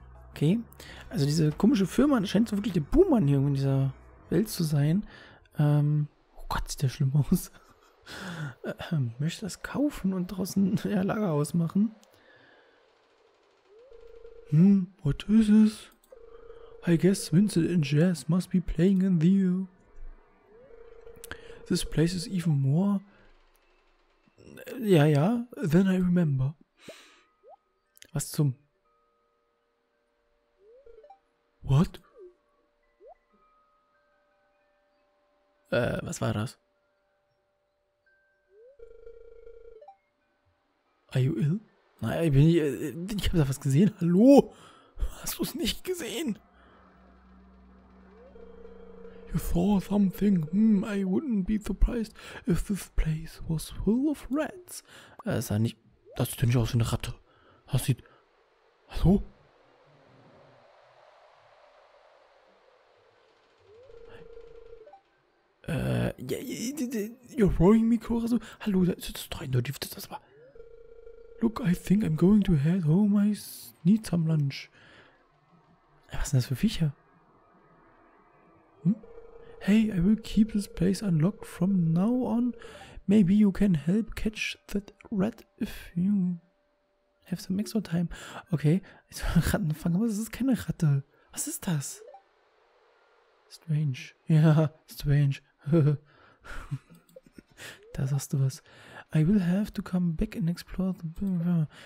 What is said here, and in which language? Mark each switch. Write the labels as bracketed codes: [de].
[de] Okay, also diese komische Firma scheint so wirklich der Buhmann hier in dieser Welt zu sein. Oh Gott, sieht der schlimm aus. Möchte das kaufen und draußen ein Lagerhaus machen? [en] What is this? I guess Vincent and Jazz must be playing in the... This place is even more... Ja, than I remember. [de] Was zum... [en] What? [de] Was war das? [en] Are you ill? [de] Nein, ich bin nicht... Ich hab da was gesehen. Hallo? Hast du's nicht gesehen? [en] You saw something? I wouldn't be surprised if this place was full of rats. [de] Das sieht nicht aus wie eine Ratte. Das sieht... Hallo? [en] You're worrying me, Cora. [de] So, hallo, das ist doch eindeutig, das ist aber. [en] Look, I think I'm going to head home. I need some lunch. [de] Was sind das für Viecher? [en] Hey, I will keep this place unlocked from now on. Maybe you can help catch that rat if you have some extra time. [de] Okay, jetzt mal Rattenfang, aber das ist keine Ratte. Was ist das? Strange. Ja, strange. Da sagst du was. [en] I will have to come back and explore the...